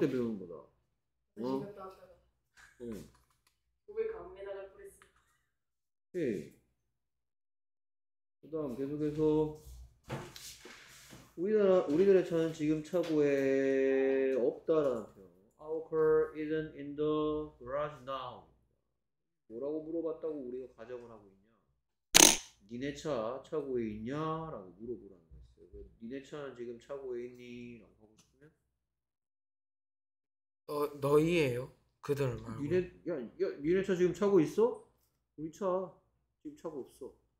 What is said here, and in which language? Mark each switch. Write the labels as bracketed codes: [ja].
[ko] 배운 거다. 다시 갔다 왔다가 고개 감에다가 그랬어. 오케이. 그다음 계속해서 우리들의 차는 지금 차고에 없다라는 표현. [en] Our car isn't in the garage now. [ko] 뭐라고 물어봤다고 우리가 가정을 하고 있냐? 니네 차 차고에 있냐라고 물어보라는 거였어요. 니네 차는 지금 차고에 있니라고 하고 싶으면 너희예요? 그들 말고. 니네 차 지금 차고 있어? 우리 차 지금 차고 없어.